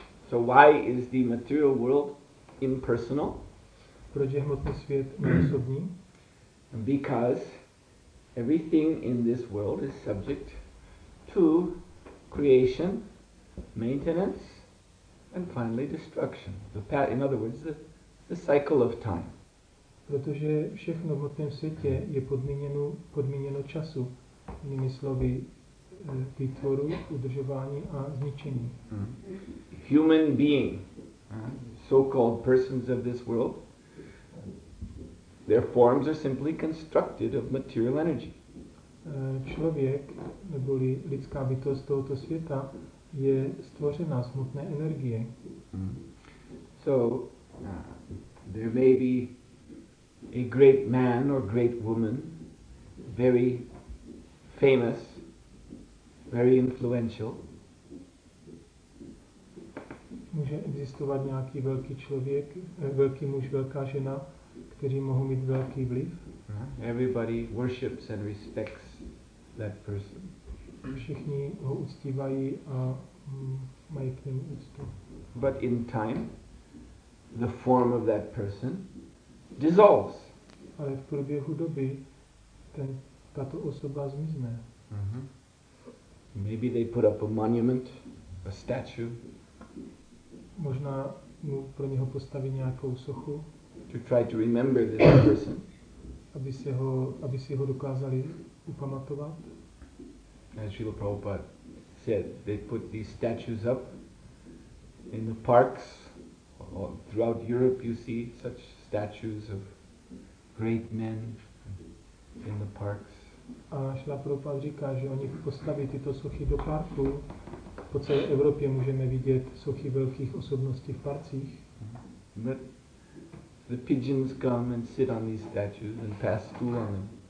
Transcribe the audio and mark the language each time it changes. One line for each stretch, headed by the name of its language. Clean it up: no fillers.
English: So why is the material world impersonal?
Czech: Proč je hmotný svět neosobní?
English: Because everything in this world is subject to creation, maintenance and finally destruction. In other words, the cycle of time.
Czech: Protože všechno v hmotném světě je podmíněno času, jinými slovy výtvoru, udržování a zničení.
English: Human being, so-called persons of this world, their forms are simply constructed of material energy.
Czech: Člověk, neboli lidská bytost tohoto světa, je stvořena z hmotné energie.
English: There may be a great man or great woman, very famous, very influential.
Czech: Může existovat nějaký velký člověk, velký muž, velká žena, kteří mohou mít velký vliv.
English: Everybody worships and respects that person.
Czech: Všichni ho uctívají a mají k němu úctu.
English: But in time, the form of that person dissolves.
Czech: Ale v průběhu doby tato osoba zmizne.
English: Maybe they put up a monument, a statue.
Czech: Možná mu pro něho postaví nějakou sochu.
English: To try to remember this person.
Czech: Aby si ho dokázali upamatovat.
English: As Srila Prabhupada said, they put these statues up in the parks. All throughout Europe you see such statues of great men in the parks.
Czech: A Srila Prabhupada říká, že oni postaví tyto sochy do parku. Po celé Evropě můžeme vidět sochy velkých osobností v parcích.
English: But the pigeons come and sit on these statues and pass through on them.